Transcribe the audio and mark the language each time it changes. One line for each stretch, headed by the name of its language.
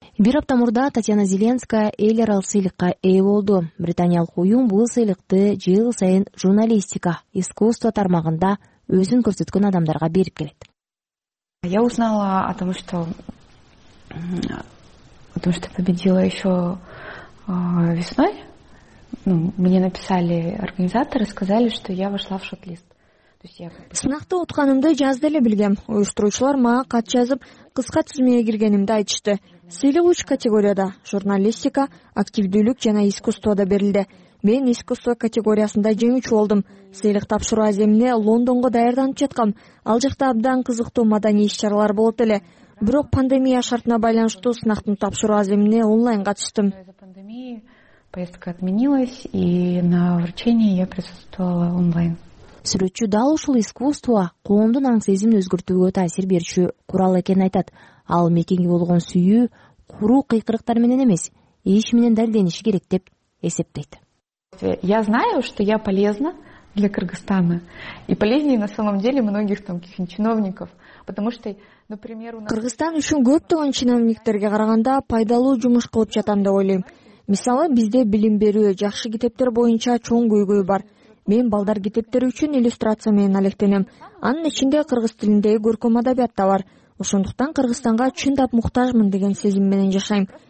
Kyrgyz: Бир апта мурда Татьяна Зеленская эл аралык сыйлыкка ээ болду. Британиялык уюм бул сыйлыкты жыл сайын журналистика, искусство тармагында өзүн көрсөткөн адамдарга берип келет.
Russian: Я узнала о том, что победила еще весной. Мне написали организаторы, сказали, что я вошла в шотлист.
Kyrgyz: Сынакты утканымды жазды эле билгем. Уюштуруучулар мага кат жазып, кыска тизмеге киргенимди айтышты. Сыйлык үч категорияда журналистика, активдүүлүк жана искусствода берилди. Мен искусство категориясында жеңүүчү болдум. Сыйлык тапшыруу аземине Лондонго даярданып жаткам. Ал жакта абдан кызыктуу маданий иш-чаралар болот эле. Бирок пандемия шартына байланыштуу сынактын тапшыруу аземине онлайн катыштым.
Russian: Поездка отменилась, и на вручении я присутствовала онлайн.
Kyrgyz: Сүрөтчү дал ушул искусство коомдун аң-сезимин өзгөртүүгө таасир берчү курал экенин айтат. Ал мекенге болгон сүйүү куру кыйкырыктар менен эмес, иш менен далдениши керек деп эсептейт.
Russian: Я знаю, что я полезна для Кыргызстана и полезнее на самом деле многих там каких-нибудь чиновников, потому что, например, у нас
Kyrgyz: Кыргызстан үчүн көптөгөн чиновниктерге караганда пайдалуу жумуш кылып жатам деп ойлойм. Мисалы, бизде билим берүү, жакшы китептер боюнча чоң көйгөй бар. Мен балдар китептери үчүн иллюстрация менен алектенем. Анын ичинде кыргыз тилиндеги көркөм адабият да бар. Ошондуктан Кыргызстанга чындап муктажмын деген сезим менен жашайм.